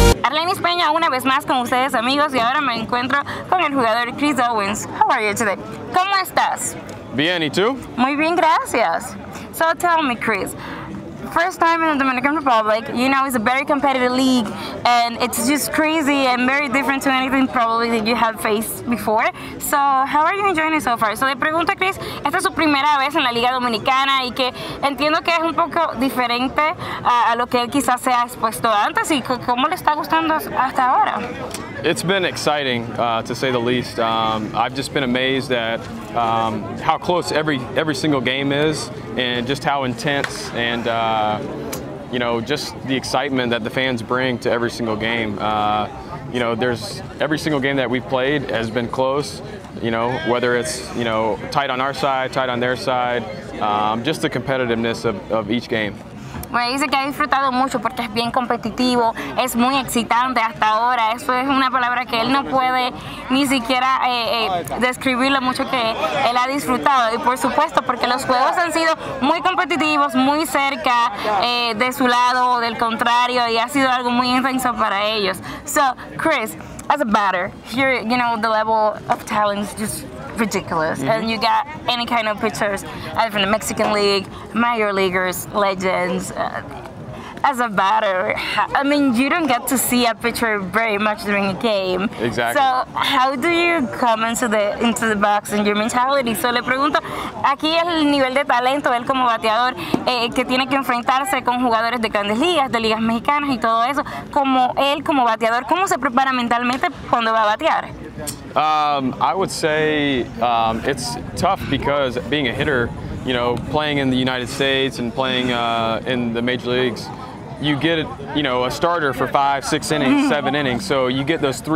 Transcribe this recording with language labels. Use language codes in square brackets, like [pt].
[es] Unidos y ahora me encuentro con el jugador Chris Owens. [en] How are you today? [es] ¿Cómo estás? Bien, ¿y tú? Muy bien, gracias. [en] So tell me, Chris, first time in the Dominican Republic, you know, it's a very competitive league and it's just crazy and very different to anything probably that you have faced before. So how are you enjoying it so far? [es] So le pregunto a Chris, esta es su primera vez en la Liga Dominicana y que entiendo que es un poco diferente a lo que él quizás se ha expuesto antes y cómo le está gustando hasta ahora. [en] It's been exciting, to say the least. I've just been amazed at how close every single game is, and just how intense and you know, just the excitement that the fans bring to every single game. You know, there's every single game that we've played has been close. You know, whether it's, you know, tight on our side, tight on their side, just the competitiveness of each game. [es] Me dice que ha disfrutado mucho porque es bien competitivo, es muy excitante hasta ahora. Eso es una palabra que él no puede ni siquiera describir lo mucho que él ha disfrutado. Y por supuesto, porque los juegos han sido muy competitivos, muy cerca de su lado o del contrario, y ha sido algo muy intenso para ellos. [en] So, Chris, as a batter, here, you know, the level of talent is just ridiculous. Mm-hmm. And you got any kind of pitchers either from the Mexican League, minor leaguers, legends. As a batter, I mean, you don't get to see a pitcher very much during a game. Exactly. So how do you come into the box and your mentality? [es] So le pregunto, aquí el nivel de talento, él como bateador, que tiene que enfrentarse con jugadores de grandes ligas, de ligas mexicanas y todo eso. Como él como bateador, ¿cómo se prepara mentalmente cuando va a batear? [en] I would say it's tough because being a hitter, you know, playing in the United States and playing in the major leagues, you get, you know, a starter for 5, 6 innings, 7 innings. So you get those 3.